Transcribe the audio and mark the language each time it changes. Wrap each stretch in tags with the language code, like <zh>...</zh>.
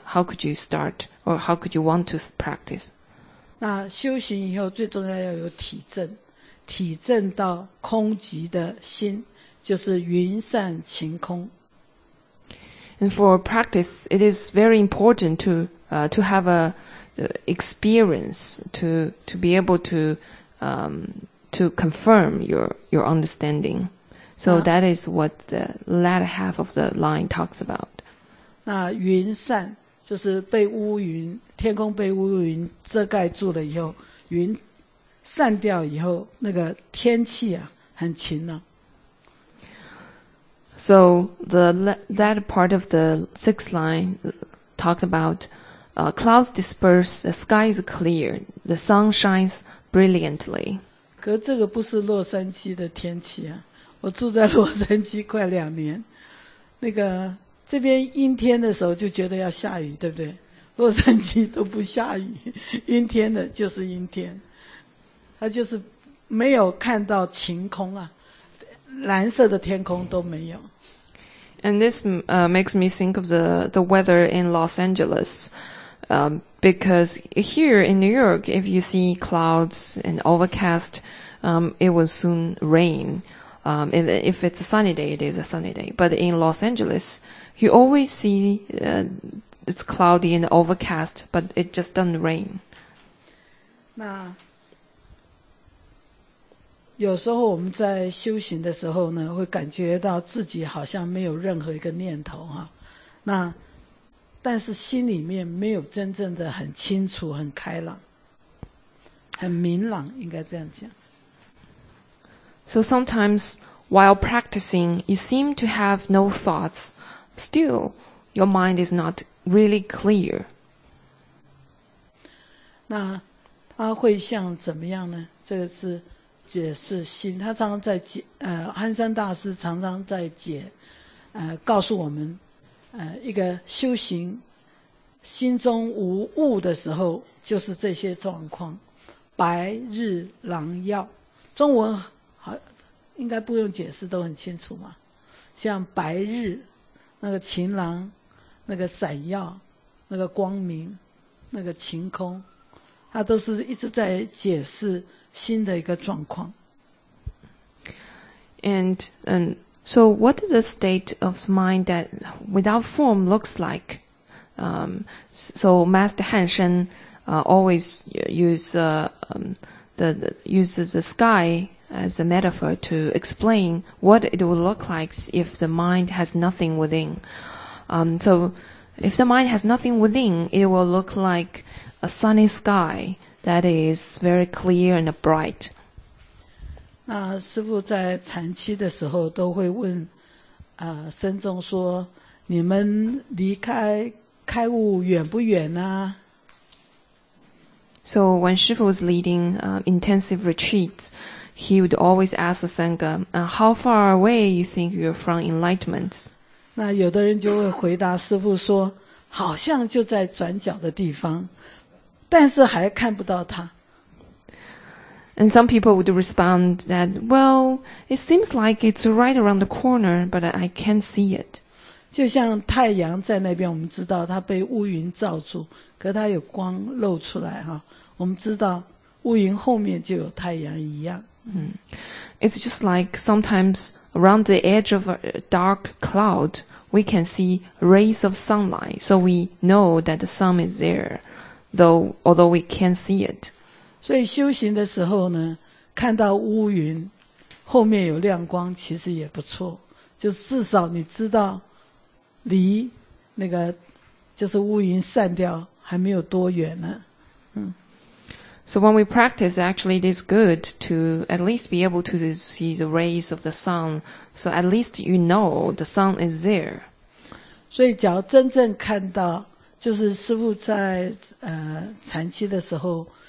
<en>How could you start, or how could you want to practice?</en> <zh>那修行以后最重要要有体证，体证到空寂的心，就是云散晴空。</zh> <en>And for practice, it is very important to have experience to be able to confirm your understanding. So that is what the latter half of the line talks about.</en> <zh>那云散就是被乌云，天空被乌云遮盖住了以后，云散掉以后，那个天气啊很晴朗。</zh> <en>So the that part of the sixth line talked about clouds disperse, the sky is clear, the sun shines brilliantly.</en> <zh>可这个不是洛杉矶的天气啊。我住在洛杉矶快两年，那个这边阴天的时候就觉得要下雨，对不对？洛杉矶都不下雨，阴天的就是阴天，他就是没有看到晴空啊，蓝色的天空都没有。</zh> <en>And this makes me think of the weather in Los Angeles, because here in New York, if you see clouds and overcast, it will soon rain. If it's a sunny day, it is a sunny day. But in Los Angeles, you always see it's cloudy and overcast, but it just doesn't rain.</en> <zh>那有时候我们在修行的时候呢，会感觉到自己好像没有任何一个念头啊。那但是心里面没有真正的很清楚、很开朗、很明朗，应该这样讲。</zh> <en>So sometimes while practicing, you seem to have no thoughts. Still, your mind is not really clear.</en> <zh>那它会像怎么样呢？这个是解释心。他常常在解，憨山大师常常在解，告诉我们，一个修行心中无物的时候，就是这些状况。白日狼药，中文。应该不用解释都很清楚嘛，像白日那个晴朗，那个闪耀，那个光明，那个晴空，它都是一直在解释心的一个状况。</zh> <en>And so what is the state of mind that without form looks like? So Master Hanshen always uses the sky as a metaphor to explain what it will look like if the mind has nothing within. So if the mind has nothing within, it will look like a sunny sky that is very clear and bright.</en> <zh>那师父在禅期的时候都会问僧众说你们离开开悟远不远呢？</zh> <en>So when 师父was leading intensive retreats, he would always ask the Sangha, how far away you think you're from enlightenment?</en> <zh>那有的人就会回答师父说好像就在转角的地方，但是还看不到他。</zh> <en>And some people would respond that, well, it seems like it's right around the corner, but I can't see it.</en> <zh>就像太阳在那边，我们知道它被乌云罩住，可它有光露出来哈。我们知道乌云后面就有太阳一样。</zh> <en>It's just like sometimes around the edge of a dark cloud, we can see rays of sunlight, so we know that the sun is there, although we can't see it.</en> <zh>所以修行的时候呢，看到乌云后面有亮光，其实也不错。就至少你知道离那个就是乌云散掉还没有多远呢。</zh> <en>So when we practice, actually it is good to at least be able to see the rays of the sun. So at least you know the sun is there.</en> <zh>所以假如真正看到，就是师父在禅期的时候。</zh>